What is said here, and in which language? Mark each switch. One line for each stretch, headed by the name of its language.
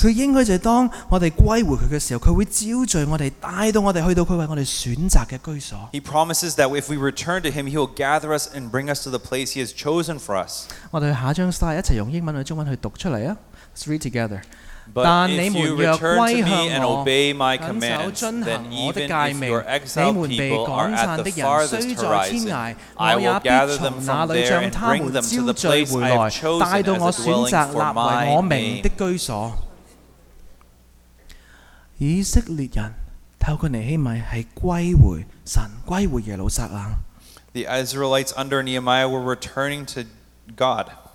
Chinese: 他應許就是當我們歸回祂的時候,祂會召聚我們,帶到我們去到祂為我們選擇的居所。
English: He promises that if we return to Him, He will gather us and bring us to the place He has chosen for us.
Chinese: 我們下一張 slide,一起用英文和中文去讀出來。
English: Let's read together. But if you return to me and obey my commands, then even if your exiled people are at the farthest horizon, I will gather them from there and bring them to the place I have chosen as a dwelling for my name.
Chinese: 以色列人透過尼希米是歸回神,歸回耶路撒冷。
English: The Israelites under Nehemiah were returning to God.